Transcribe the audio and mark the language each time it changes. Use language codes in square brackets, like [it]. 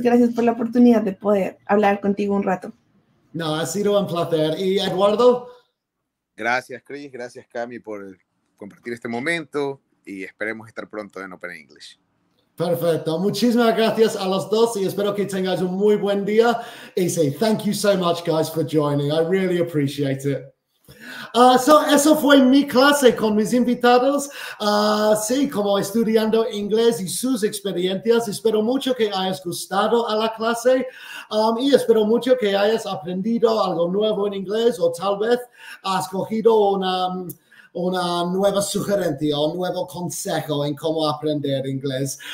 [es] Gracias por la oportunidad de poder hablar contigo un rato. No, ha sido un placer. ¿Y Eduardo? Gracias, Chris. Gracias, Cami, por compartir este momento y esperemos estar pronto en Open English. Perfecto. Muchísimas gracias a los dos y espero que tengáis un muy buen día. [en] Y say thank you so much, guys, for joining. I really appreciate it. [es] Eso fue mi clase con mis invitados, sí, como estudiando inglés y sus experiencias. Espero mucho que hayas gustado a la clase y espero mucho que hayas aprendido algo nuevo en inglés o tal vez has cogido una nueva sugerencia o un nuevo consejo en cómo aprender inglés.